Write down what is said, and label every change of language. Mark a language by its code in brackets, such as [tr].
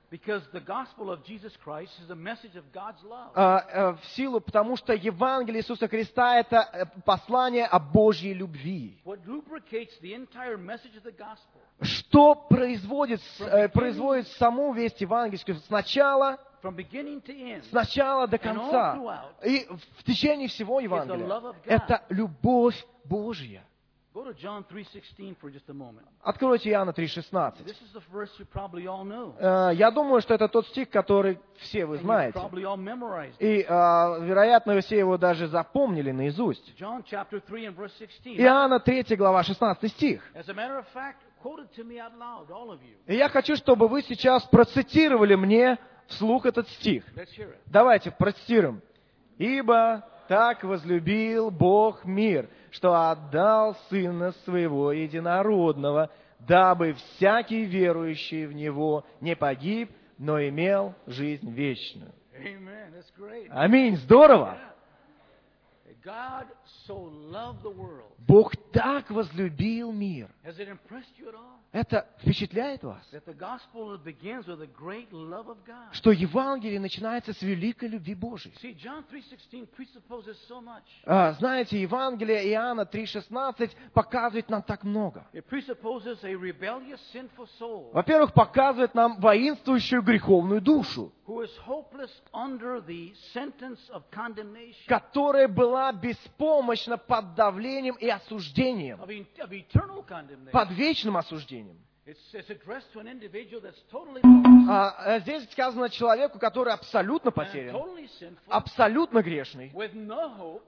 [en] because the gospel of Jesus Christ is a message of God's love. [ru] В силу, потому что Евангелие Иисуса Христа это послание о Божьей любви. [en] What lubricates the entire message of the gospel? [ru] Что производит саму весть евангельскую с начала? [en] From beginning to end, [ru] сначала до конца, [en] and all throughout, [ru] и в течение всего Евангелия, [en] is the love of God. [ru] Это любовь Божья. [en] Go to John 3:16 for just a moment. [ru] Откройте Иоанна 3:16. [en] This is the verse you probably all know. [ru] Я думаю, что это тот стих, который все вы знаете. [en] And you probably all memorized. [ru] И, вероятно, все его даже запомнили наизусть. [en] John chapter 3 and verse 16. [ru] Иоанна 3 глава 16 стих. [en] As a matter of fact, quoted to me out loud, all of you. [ru] И я хочу, чтобы вы сейчас процитировали мне вслух этот стих. [en] Let's hear it. [ru] Давайте процитируем. Ибо так возлюбил Бог мир, что отдал Сына Своего Единородного, дабы всякий верующий в Него не погиб, но имел жизнь вечную. [en] Amen. That's great. [ru] Аминь. Здорово! [en] Yeah. God so loved the world. [ru] Бог так возлюбил мир. [en] Has it impressed you at all? [ru] Это впечатляет вас? [en] That the gospel begins with a great love of God. [ru] Что Евангелие начинается с великой любви Божией. [en] See, John 3:16 presupposes so much. [ru] Знаете, Евангелие Иоанна 3:16 показывает нам так много. [en] It presupposes a rebellious, sinful soul. [ru] Во-первых, показывает нам воинствующую греховную душу, [en] who is hopeless under the sentence of condemnation, [ru] которая была беспомощна под давлением и осуждением, [en] of eternal condemnation, [ru] под вечным осуждением. [en] It's addressed to an individual that's totally... [ru] Здесь сказано человеку, который абсолютно потерян, [en] totally sinful, [ru] абсолютно грешный, [en] with no hope,